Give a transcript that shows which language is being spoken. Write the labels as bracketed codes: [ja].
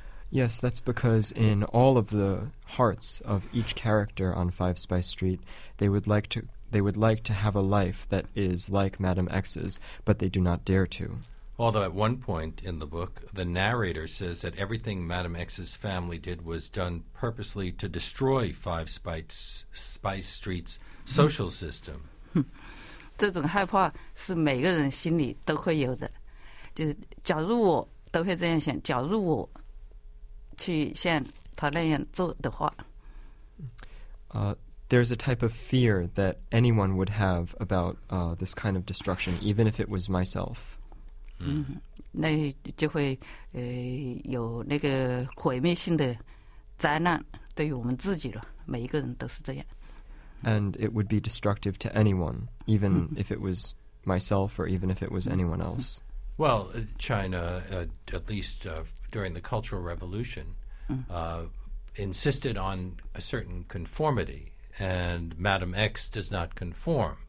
[en] Yes, that's because in all of the hearts of each character on 5 Spy Street, they would like to have a life that is like Madam X's, but they do not dare to. Although at one point in the book, the narrator says that everything Madam X's family did was done purposely to destroy 5 Spy Street's social system. [zh] 这种害怕是每个人心里都会有的，就是假如我都会这样想，假如我去像他那样做的话。 [en] There's a type of fear that anyone would have about this kind of destruction, even if it was myself. [zh] 那就会有那个毁灭性的灾难对于我们自己了，每一个人都是这样。 [en] And it would be destructive to anyone, even if it was myself or even if it was anyone else. Well, China, at least during the Cultural Revolution, insisted on a certain conformity, and Madam X does not conform.